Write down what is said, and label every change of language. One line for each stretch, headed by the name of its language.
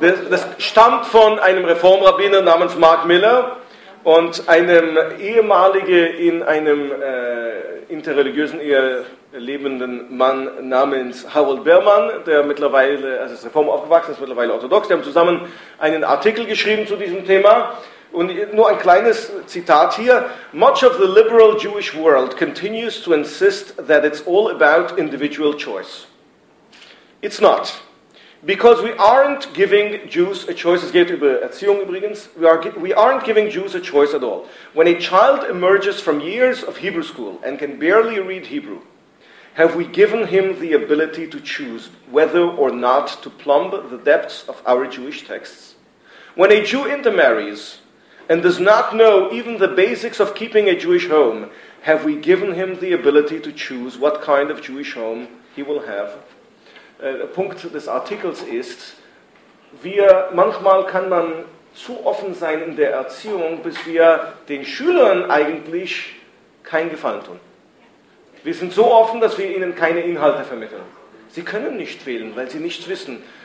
German: Das stammt von einem Reformrabbiner namens Mark Miller und einem ehemaligen in einem interreligiösen Ehe lebenden Mann namens Harold Berman, der mittlerweile, also ist Reformer aufgewachsen, ist mittlerweile orthodox. Die haben zusammen einen Artikel geschrieben zu diesem Thema. Und nur ein kleines Zitat hier.
English: Much of the liberal Jewish world continues to insist that it's all about individual choice. It's not. Because we aren't giving Jews a choice,
German: es geht über Erziehung übrigens,
English: we aren't giving Jews a choice at all. When a child emerges from years of Hebrew school and can barely read Hebrew, have we given him the ability to choose whether or not to plumb the depths of our Jewish texts? When a Jew intermarries and does not know even the basics of keeping a Jewish home, have we given him the ability to choose what kind of Jewish home he will have?
German: Punkt des Artikels ist, manchmal kann man zu offen sein in der Erziehung, bis wir den Schülern eigentlich keinen Gefallen tun. Wir sind so offen, dass wir ihnen keine Inhalte vermitteln. Sie können nicht wählen, weil sie nichts wissen.